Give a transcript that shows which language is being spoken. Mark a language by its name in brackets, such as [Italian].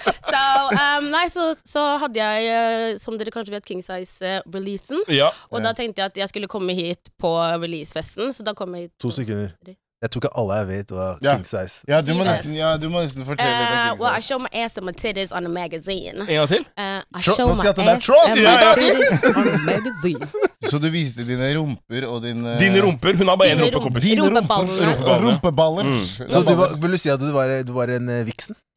[Swedish] So, nej, så hade jag som det kanske vet King Size releasen. Ja. Och då tänkte jag att jag skulle komma hit på releasefesten, så då kom jag hit. 2 sekunder. Jag tror att alla vet vad King Size. Ja, du måste nästan, fortsätta med King [English] Size. Well, I show my ass and my titties on a magazine. [Swedish] En gång till? [English] I show my ass and my titties on a magazine. [Swedish] Så du visste dina rumpor och din... Din rumpor? Hon har bara en rumpokompis. Din rumpeballer. Rumpeballer. Mm. Så du var, vill du säga att du var en vixen?